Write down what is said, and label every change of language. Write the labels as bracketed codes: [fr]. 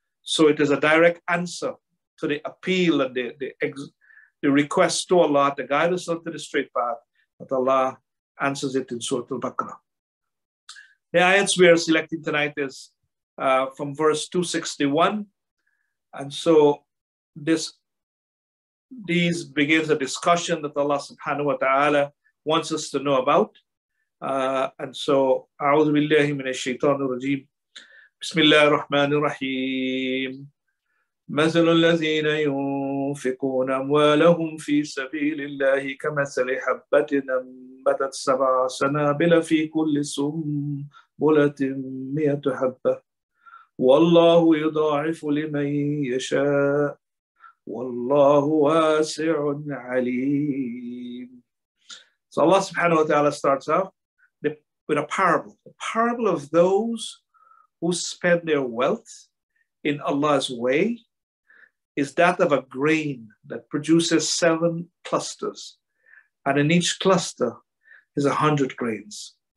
[en] So it is a direct answer to the appeal and the request to Allah to guide us onto the straight path, that Allah answers it in Surah Al-Baqarah. The ayats we are selecting tonight is from verse 261. And so these begins a discussion that Allah subhanahu wa ta'ala wants us to know about. And so, [ar] أعوذ بالله من الشيطان الرجيم بسم الله الرحمن الرحيم مثل الذين ينفقون أموالهم في سبيل الله كمثل حبة أنبتت سبع سنابل في كل سنبلة مية حبة والله يضاعف لمن يشاء والله واسع عليم. [en] So Allah subhanahu wa ta'ala starts off with a parable, the parable of those who spend their wealth in Allah's way is that of a grain that produces 7 clusters, and in each cluster is 100 grains.